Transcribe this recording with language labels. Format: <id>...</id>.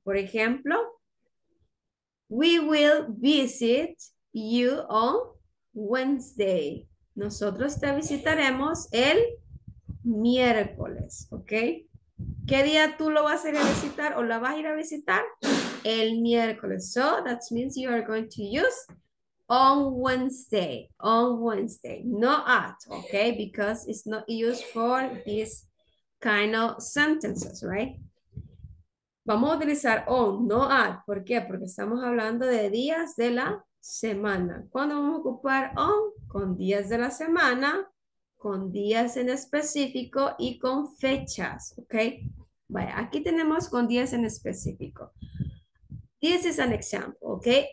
<es>Por ejemplo,</es> <en>we will visit you on Wednesday.</en> <es>Nosotros te visitaremos el miércoles, ¿ok? ¿Qué día tú lo vas a ir a visitar o la vas a ir a visitar? El miércoles.</es> <en>So, that means you are going to use on Wednesday, no at, ¿ok? Because it's not used for these kind of sentences, right?</en> <es>Vamos a utilizar on, no at. ¿Por qué? Porque estamos hablando de días de la semana. ¿Cuándo vamos a ocupar on? Con días de la semana, con días en específico y con fechas, ¿ok? Vaya, aquí tenemos con días en específico.</es> <en>This is an example,</en> <es>¿ok?</es>